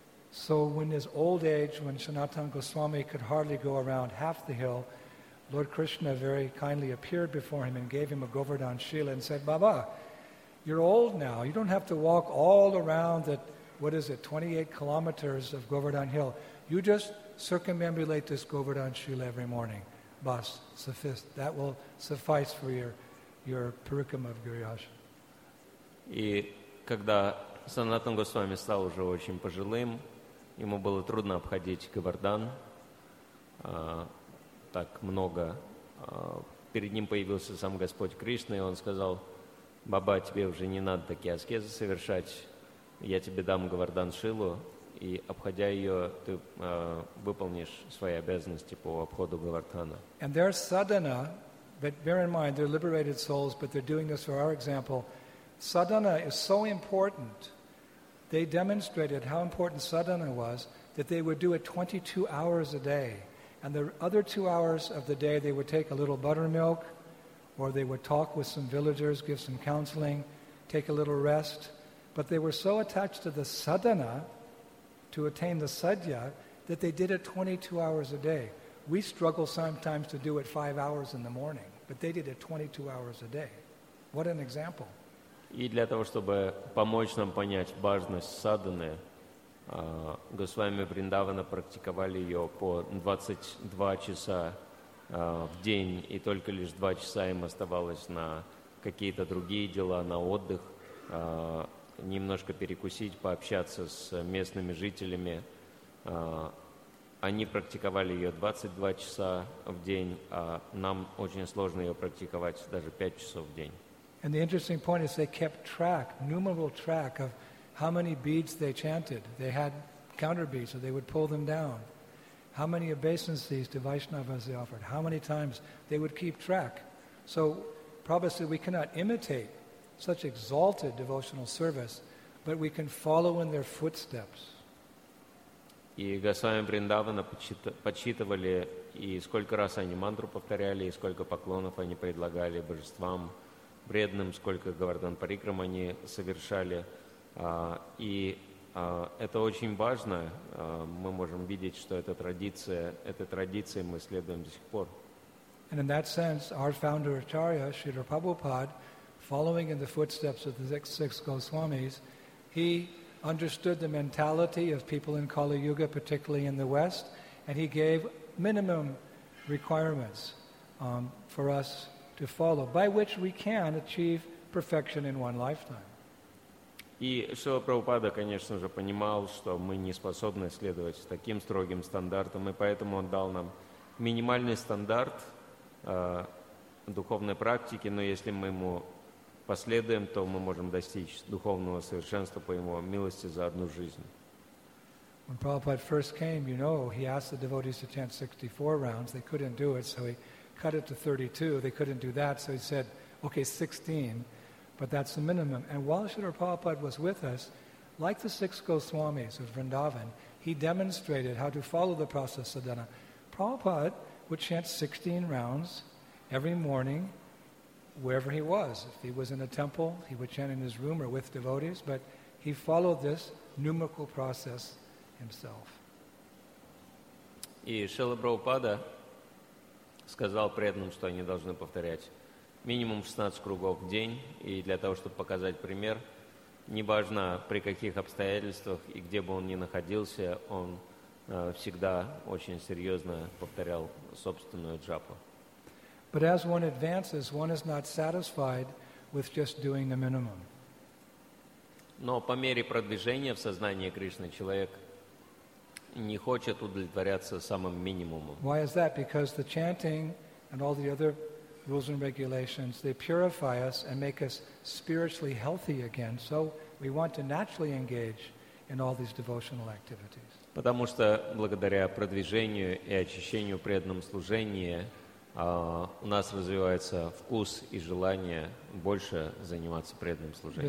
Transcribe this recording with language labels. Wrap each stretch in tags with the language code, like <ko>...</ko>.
<en>So in his old age, when Sanatana Goswami could hardly go around half the hill, Lord Krishna very kindly appeared before him and gave him a Govardhan Shila and said, Baba, you're old now. You don't have to walk all around that, what is it, 28 kilometers of Govardhan Hill. You just circumambulate this Govardhan Shila every morning. Bas, suffice. That will suffice for your Parikrama of Giriraj.</en> <ru>И когда Санатан Госвами стал уже очень пожилым, ему было трудно обходить Говардан так много. Перед ним появился сам Господь Кришна, и он сказал, Баба, тебе уже не надо такие аскезы совершать. Я тебе дам Говардан Шилу, и обходя ее, ты выполнишь свои обязанности по обходу Говардхана.</ru> <en>And their sadhana, but bear in mind, they're liberated souls, but they're doing this for our example. Sadhana is so important. They demonstrated how important sadhana was, that they would do it 22 hours a day. And the other 2 hours of the day, they would take a little buttermilk, or they would talk with some villagers, give some counseling, take a little rest. But they were so attached to the sadhana, to attain the sadhya that they did it 22 hours a day. We struggle sometimes to do it 5 hours in the morning, but they did it 22 hours a day. What an example.</en> <ru>И для того, чтобы помочь нам понять важность садханы, Госвами Вриндавана практиковали ее по 22 часа в день, и только лишь 2 часа им оставалось на какие-то другие дела, на отдых, немножко перекусить, пообщаться с местными жителями. Они практиковали ее 22 часа в день, а нам очень сложно ее практиковать даже 5 часов в день.</ru> <en>And the interesting point is they kept track, numerical track, of how many beads they chanted. They had counter beads, so they would pull them down. How many obeisances to Vaishnavas they offered, how many times they would keep track. So Prabhupada said, we cannot imitate such exalted devotional service, but we can follow in their footsteps.</en> <ru>И Госвами Вриндавана подсчитывали, и сколько раз они мантру повторяли, и сколько поклонов они предлагали божествам, бредным, сколько Говардхан Парикрам они совершали. Это очень важно. Мы можем видеть, что эта традиция, этой традиции мы следуем до сих пор.</ru> <en>And in that sense, our founder Acharya, Srila Prabhupada, following in the footsteps of the six Goswamis, he understood the mentality of people in Kali Yuga, particularly in the West, and he gave minimum requirements for us to follow, by which we can achieve perfection in one lifetime.</en> <ru>И Шрила Прабхупада, конечно же, понимал, что мы не способны следовать таким строгим стандартам, и поэтому он дал нам минимальный стандарт духовной практики, но если мы ему последуем, то мы можем достичь духовного совершенства по его милости за одну жизнь.</ru> <en>When Prabhupada first came, you know, he asked the devotees to chant 64 rounds. They couldn't do it, so he cut it to 32. They couldn't do that, so he said, okay, 16. But that's the minimum. And while Srila Prabhupada was with us, like the six Goswamis of Vrindavan, he demonstrated how to follow the process of sadhana. Prabhupada would chant 16 rounds every morning wherever he was. If he was in a temple, he would chant in his room or with devotees, but he followed this numerical process himself.</en> <ru>И Шрила Прабхупада сказал преданным, что они должны повторять минимум 16 кругов в день, и для того, чтобы показать пример, неважно при каких обстоятельствах и где бы он ни находился, он всегда очень серьезно повторял собственную джапу.</ru> <en>But as one advances, one is not satisfied with just doing the minimum.</en> <ru>Но по мере продвижения в сознании Кришны человек не хочет удовлетворяться самым минимумом.</ru> <en>Why is that? Because the chanting and all the other rules and regulations, they purify us and make us spiritually healthy again. So we want to naturally engage in all these devotional activities.</en> <ru>Потому что благодаря продвижению и очищению преданном служении у нас развивается вкус и желание больше заниматься преданным служением.</ru>